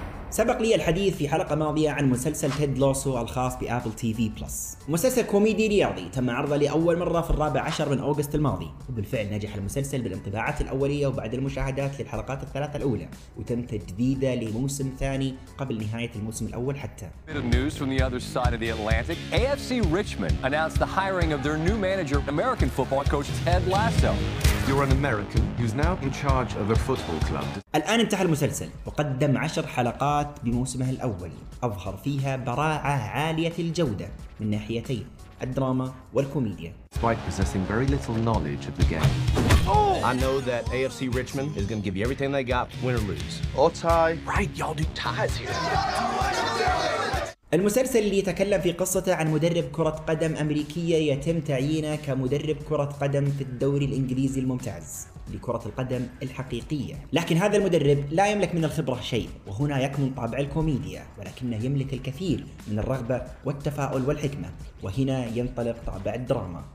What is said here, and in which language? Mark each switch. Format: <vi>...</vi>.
<ar>سبق لي الحديث في حلقة ماضية عن مسلسل تيد لوسو الخاص بأبل تي في بلس، مسلسل كوميدي رياضي تم عرضه لأول مرة في 14 من أغسطس الماضي، وبالفعل نجح المسلسل بالانطباعات الأولية وبعد المشاهدات للحلقات الثلاثة الأولى، وتم تجديده لموسم ثاني قبل نهاية الموسم الأول حتى.</ar> <en>News from the other side of the Atlantic, AFC Richmond announced the hiring of their new manager, American football coach Ted Lasso. You're an American who's now in charge of a football club.</en> <ar>الآن انتهى المسلسل وقدم 10 حلقات بموسمه الأول، أظهر فيها براعة عالية الجودة من ناحيتين الدراما والكوميديا.</ar> <en>Despite possessing very little knowledge of the game, I know that AFC Richmond is going to give you everything they got, win or lose. Or tie. Right, y'all do ties here.</en> <ar>المسلسل اللي يتكلم في قصته عن مدرب كرة قدم أمريكية يتم تعيينه كمدرب كرة قدم في الدوري الإنجليزي الممتاز. لكرة القدم الحقيقية، لكن هذا المدرب لا يملك من الخبرة شيء، وهنا يكمن طابع الكوميديا، ولكنه يملك الكثير من الرغبة والتفاؤل والحكمة، وهنا ينطلق طابع الدراما.</ar>